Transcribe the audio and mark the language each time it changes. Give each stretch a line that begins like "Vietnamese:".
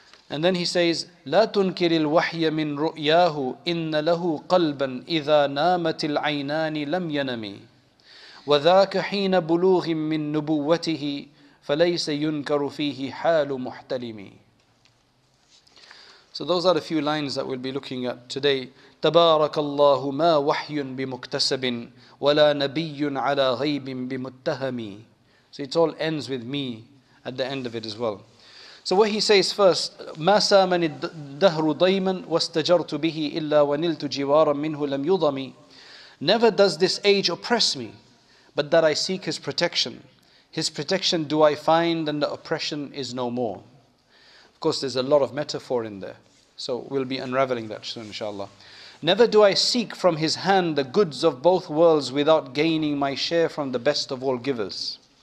English: And then he says,
Arabic: لَا تُنْكِرِ الْوَحْيَ مِنْ رُؤْيَاهُ إِنَّ لَهُ قَلْبًا إِذَا نَامَتِ الْعَيْنَانِ لَمْ يَنَمِي وَذَاكَ حِينَ بُلُوغٍ مِنْ نُبُوَّتِهِ فَلَيْسَ يُنْكَرُ فِيهِ حَالُ مُحْتَلِمِي.
English: So those are a few lines that we'll be looking at today.
Arabic: تَبَارَكَ اللَّهُ مَا وَحْيٌ بِمُكْتَسَبٍ وَلَا نَبِيٌّ عَلَى غَيْبٍ بِمُتَّهَمِي.
English: So it all ends with me at the end of it as well. So what he says first,
Arabic: مَا سَامَنِ الدَّهْرُ ضَيْمًا وَاسْتَجَرْتُ بِهِ إِلَّا وَنِلْتُ جِوَارًا مِنْهُ لَمْ يُضَمِي.
English: Never does this age oppress me, but that I seek his protection. His protection do I find, and the oppression is no more. Of course, there's a lot of metaphor in there. So we'll be unraveling that soon, inshallah. Never do I seek from his hand the goods of both worlds without gaining my share from the best of all givers.